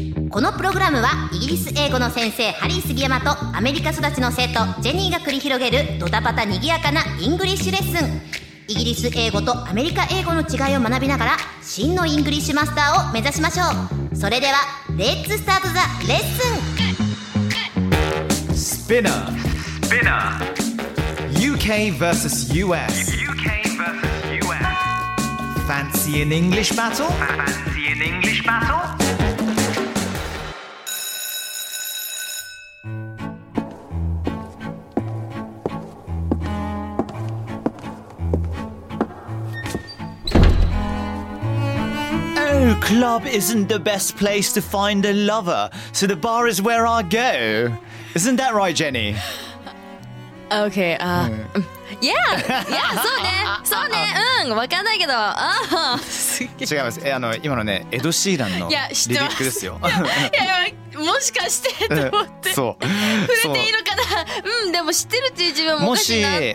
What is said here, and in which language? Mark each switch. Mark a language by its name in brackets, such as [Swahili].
[Japanese] このプログラムはイギリス英語の先生ハリー杉山とアメリカ育ちの生徒ジェニーが繰り広げるドタパタにぎやかなイングリッシュレッスン。イギリス英語とアメリカ英語の違いを学びながら真のイングリッシュマスターを目指しましょう。 [English] それではレッツスタートザレッスン。 Spinner Spinner UK versus USFancy an English battle? Fancy an English battle? Oh, club isn't the best place to find a lover, so the bar is where I go. Isn't that right, Jenny? Okay, Yeah! [Japanese] Yeah, そうね、そうね、うん、わかんないけど、違います、あの今のね、エド・シーランのリリックですよ。いや、もしかしてと思って、そう、触れていいのかな、うん、でも知ってるっていう自分もおかしいなって。